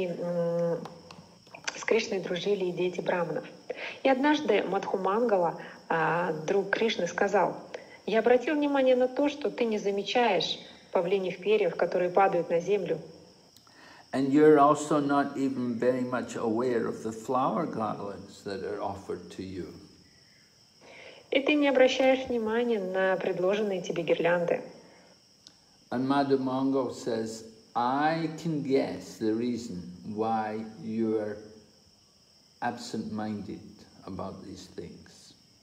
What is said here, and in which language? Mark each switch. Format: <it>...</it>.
<ru>С Кришной дружили и дети брахманов. И однажды Мадхумангала, друг Кришны, сказал, я обратил внимание на то, что ты не замечаешь павлиньих перьев, которые падают на землю.</ru> <en>And you're also not even very much aware of the flower garlands that are offered to you.</en> <ru>И ты не обращаешь внимания на предложенные тебе гирлянды.</ru> <en>And Mother Mongo says, I can guess the reason why you're absent-minded about these things.</en>